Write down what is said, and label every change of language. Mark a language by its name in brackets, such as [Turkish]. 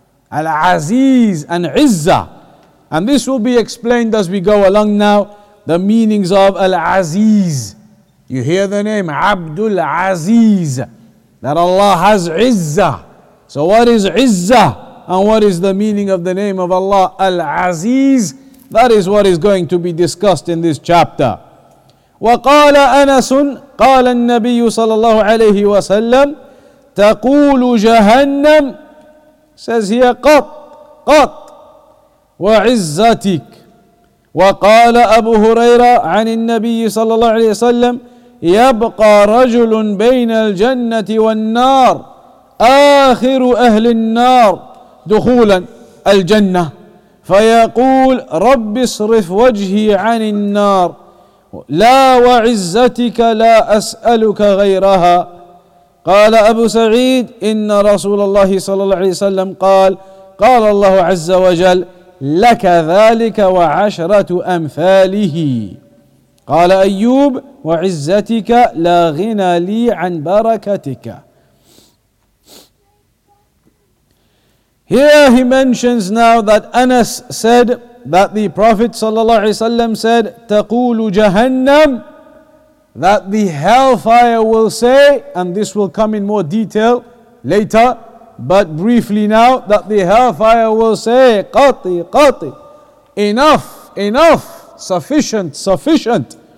[English] Al-Aziz and Izzah. And this will be explained as we go along now, the meanings of Al-Aziz. You hear the name Abdul Aziz, that Allah has Izzah. So what is Izzah? And what is the meaning of the name of Allah, Al-Aziz? That is what is going to be discussed in this chapter. [Arabic] وَقَالَ أَنَسٌ قَالَ النَّبِيُّ صَلَى اللَّهُ عَلَيْهِ وَسَلَّمْ تَقُولُ جَهَنَّمْ [English] says here, [Arabic] قَطْ وَعِزَّتِكْ وَقَالَ أَبُو هُرَيْرَةَ عَنِ النَّبِيِّ صَلَى اللَّهُ عَلَيْهِ وَسَلَّمْ يَبْقَى رَجُلٌ بَيْنَ الْجَنَّةِ وَالنَّارِ آخِرُ أَهْلِ النَّارِ دخولا الجنة فيقول رب اصرف وجهي عن النار لا وعزتك لا أسألك غيرها قال أبو سعيد إن رسول الله صلى الله عليه وسلم قال قال الله عز وجل لك ذلك وعشرة أمثاله قال أيوب وعزتك لا غنى لي عن بركتك. [English] Here he mentions now that Anas said that the Prophet ﷺ said, [Arabic] تَقُولُ جَهَنَّمْ, [English] that the hellfire will say, and this will come in more detail later, but briefly now, that the hellfire will say, [Arabic] قَطِ قَطِ, [English] enough, enough, sufficient, sufficient.